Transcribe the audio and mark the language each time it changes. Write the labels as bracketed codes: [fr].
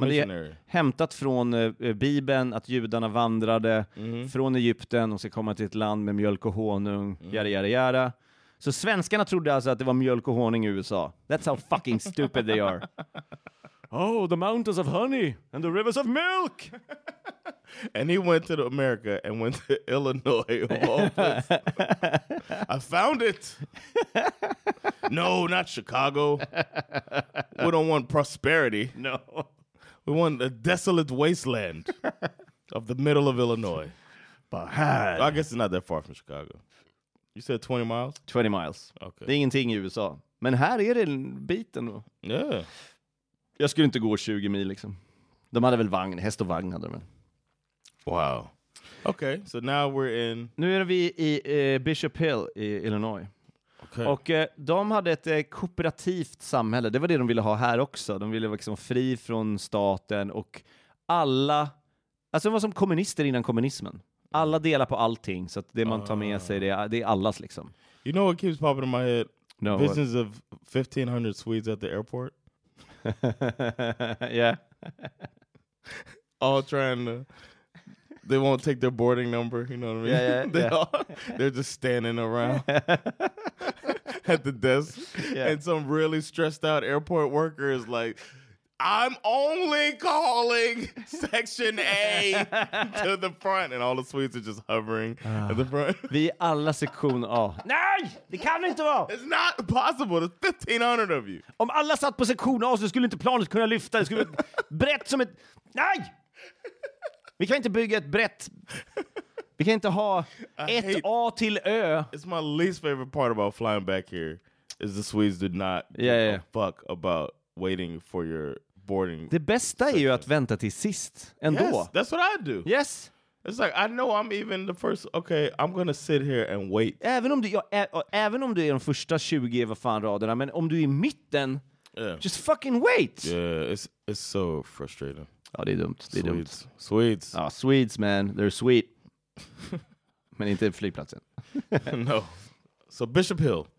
[sv] det är hämtat från Bibeln, att judarna vandrade från Egypten och ska komma till ett land med mjölk och honung, jära. Så svenskarna trodde alltså att det var mjölk och honung i USA. [en] That's how fucking stupid they are. Oh, the mountains of honey and the rivers of milk. And he went to America and went to Illinois. I found it. No, not Chicago. We don't want prosperity. No. We want a desolate wasteland of the middle of Illinois. Bad. I guess it's not that far from Chicago. You said 20 miles? 20 miles. Okay. [sv] Det är ingenting i USA. Men här är det en biten. [en] Yeah. [sv] Jag skulle inte gå 20 mil liksom. De hade väl vagn, häst och vagn hade de. [en] Wow. Okay, so now we're in... [sv] Nu är vi i Bishop Hill i Illinois. [en] Okay. [sv] Och de hade ett kooperativt samhälle. Det var det de ville ha här också. De ville vara liksom fri från staten och alla... Alltså de var som kommunister innan kommunismen. Alla delar på allting, så att det man tar med sig, det är allas liksom. [en] You know what keeps popping in my head? No. Visions of 1500 Swedes at the airport? Yeah. All trying to... They won't take their boarding number, you know what I mean? Yeah, yeah, They're just standing around at the desk. Yeah. And some really stressed out airport worker is like... I'm only calling section A to the front. And all the Swedes are just hovering at the front. [sv] Vi är alla sektion A. Nej, det kan inte vara. [en] It's not possible. There's 1500 of you. [sv] Om alla satt på sektion A så skulle inte planet kunna lyfta. Det skulle vara brett som ett... Nej! Vi kan inte bygga ett brett... Vi kan inte ha ett A till Ö. [en] It's my least favorite part about flying back here is the Swedes did not give a fuck about... waiting for your boarding. [sv] Det bästa är ju att vänta till sist ändå. [en] Yes, that's what I do. Yes. It's like I know I'm even the first. Okay, I'm going to sit here and wait. [sv] Även om du är den första 20 vad fan raderna, men om du är i mitten, [en] yeah. Just fucking wait. Yeah, it's so frustrating. [sv] Ja, det är dumt. Det är [en] Swedes. [sv] Dumt. [en] Swedes. [sv] Ja, Swedes, man. [en] They're sweet. [sv] Men inte flygplatsen. [en] No. So Bishop Hill.